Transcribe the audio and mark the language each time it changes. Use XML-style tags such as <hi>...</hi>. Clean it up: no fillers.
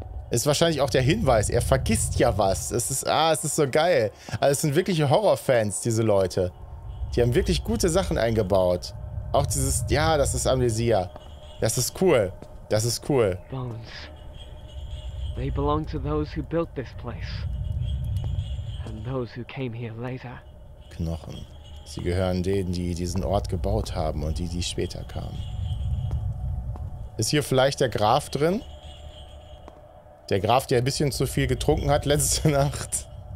<de>Ist wahrscheinlich auch der Hinweis, er vergisst ja was. Es ist so geil. Also es sind wirkliche Horrorfans, diese Leute. Die haben wirklich gute Sachen eingebaut. Auch dieses, ja, das ist Amnesia. Das ist cool. Das ist cool.</de> <en>Bones. They belong to those who built this place. And those who came here later.</en> <de>Knochen. Sie gehören denen, die diesen Ort gebaut haben und die später kamen. Ist hier vielleicht der Graf drin? Der Graf, der ein bisschen zu viel getrunken hat letzte Nacht.</de>